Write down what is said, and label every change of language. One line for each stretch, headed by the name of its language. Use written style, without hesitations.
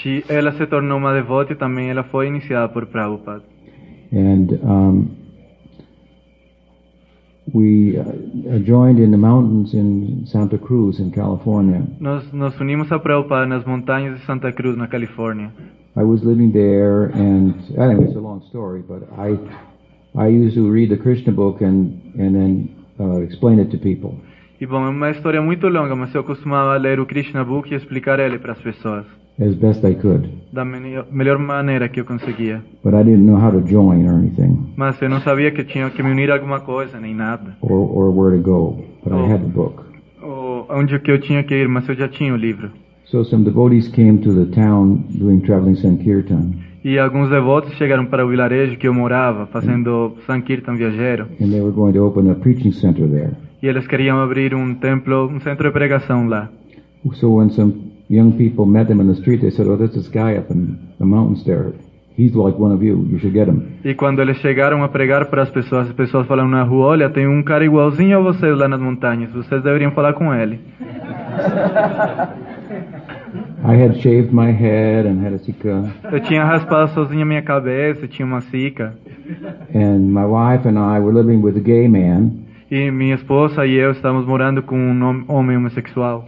Portuguese: Ela se tornou uma devota e também ela foi iniciada por Prabhupada.
English: And we joined in the mountains in Santa Cruz in California.
Portuguese: Nós unimos a Prabhupada nas montanhas de Santa Cruz na Califórnia.
English: I was living there, and anyway, it's a long story, but I used to read the Krishna book and then explain it to people.
Portuguese: E bom, é uma história muito longa, mas eu costumava ler o Krishna book e explicar ele para as pessoas.
English: As best I could.
Portuguese: Da melhor maneira que eu conseguia.
English: But I didn't know how to join or anything.
Portuguese: Mas eu não sabia que tinha que me unir a alguma coisa, nem nada.
English: Or where to go, but I had the book.
Portuguese: Ou onde que eu tinha que ir, mas eu já tinha o livro.
English: So some devotees came to the town doing traveling sankirtan.
Portuguese: E alguns devotos chegaram para o vilarejo que eu morava, fazendo Sankirtan viajero.
English: And they were going to open a preaching center there.
Portuguese: E eles queriam abrir um templo, um centro de pregação lá.
English: So when some young people met them in the street, they said, "Oh, there's this guy up in the mountains there. He's like one of you. You should get him."
Portuguese: E quando eles chegaram a pregar para as pessoas falaram na rua, "Olha, tem um cara igualzinho a vocês lá nas montanhas. Vocês deveriam falar com ele."
English: I had shaved my head and had a sika.
Portuguese: Eu tinha raspado sozinho a minha cabeça, tinha uma sika.
English: And my wife and I were living with a gay man.
Portuguese: E minha esposa e eu estávamos morando com um homem homossexual.